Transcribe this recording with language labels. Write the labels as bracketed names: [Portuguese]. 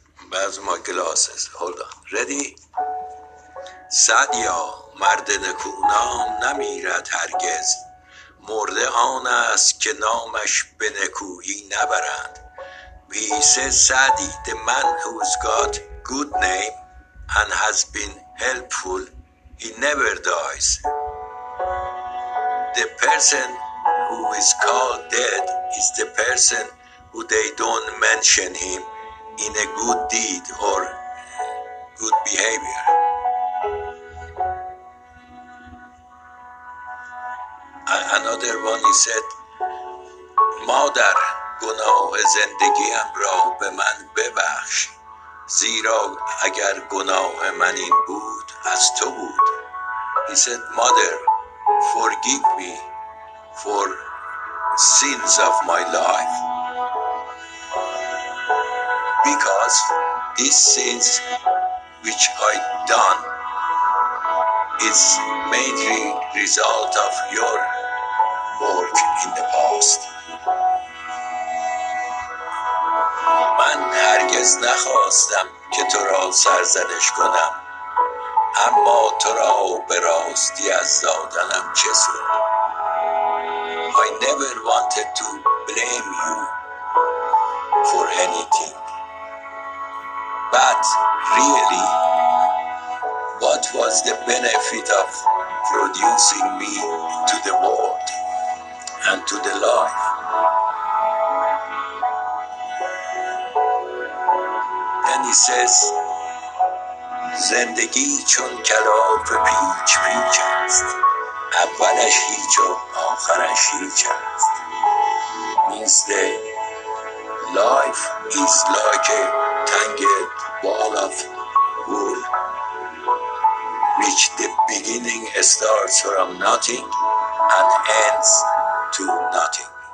[English] Where's my glasses? Hold on. Ready? [Persian] سعدیا مرد نکونام نمیرد هرگز. مرده آن است که نامش به نکویی نبرند. [English] He said, Saadi, the man who's got good name and has been helpful, he never dies. The person who is called dead is the person who they don't mention him in a good deed or good behavior. Another one, he said, [Persian] مادر گناه زندگیم را به من ببخش زیرا اگر گناه من این بود از تو بود. [English] He said, mother, forgive me for sins of my life because these sins which I done is mainly result of your work in the past. [Persian] من هرگز نخواستم که تو را سرزنش کنم اما تو را به راستی از دادنم چه سود. [English] I never wanted to blame you for anything but really what was the benefit of producing me to the world and to the life. And he says, [Persian] زندگی چون کلاف پیچ پیچ است. اولش هیچ و آخرش هیچ است. [English] Means the life is like a tangled ball of wool, which the beginning starts from nothing and ends to nothing.